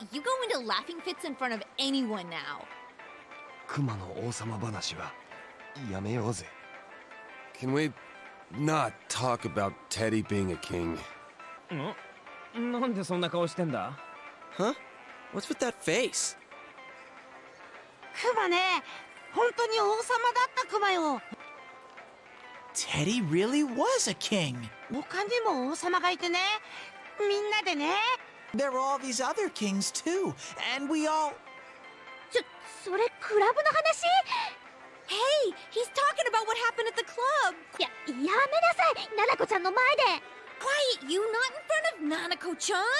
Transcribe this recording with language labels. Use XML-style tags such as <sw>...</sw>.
<en>You go into laughing fits in front of anyone now.</en> <ja>クマの王様話はやめようぜ。</ja> <en>Can we not talk about Teddy being a king?</en> <ja>なんでそんな顔してんだ?</ja> <en>Huh? What's with that face?</en> <ja>クマね、本当に王様だったクマよ。</ja> <en>Teddy really was a king.</en> <ja>他にも王様がいてね、みんなでね。</ja> <en>There were all these other kings too, and we all...</en> <ja>それクラブの話?</ja> <en>Hey, he's talking about what happened at the club.</en> <ja>やめなさい、ナナコちゃんの前で。</ja> <en>Quiet, you not in front of Nanako-chan.</en>